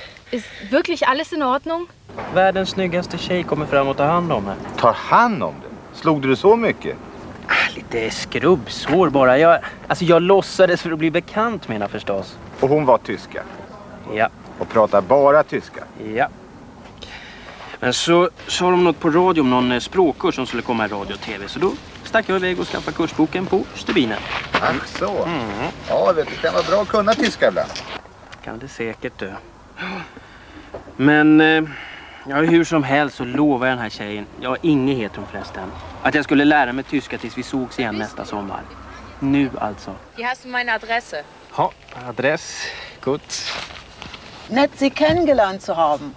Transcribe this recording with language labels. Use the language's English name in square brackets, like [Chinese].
[German] Ist wirklich alles in Ordnung? [Swedish] Världens snyggaste tjej kommer fram och tar hand om henne. Tar hand om det? Slog du det så mycket? Lite skrubbsår bara. Jag låtsades för att bli bekant med henne förstås. Och hon var tyska? Ja. Och pratar bara tyska? Ja. Men så sa de något på radio om någon språkkurs som skulle komma i radio och tv. Så då stack jag iväg och skaffade kursboken på stubinen. Ach så. Ja, vet du, det kan vara bra att kunna tyska ibland. Kan det säkert dö. Men... ja, hur som helst så lovar jag den här tjejen, ja, Inge heter hon förresten, att jag skulle lära mig tyska tills vi sågs igen nästa sommar. Nu alltså. [German] Hier hast du meine Adresse. Ja, adress. Gut. Nett sie kennengelernt zu haben.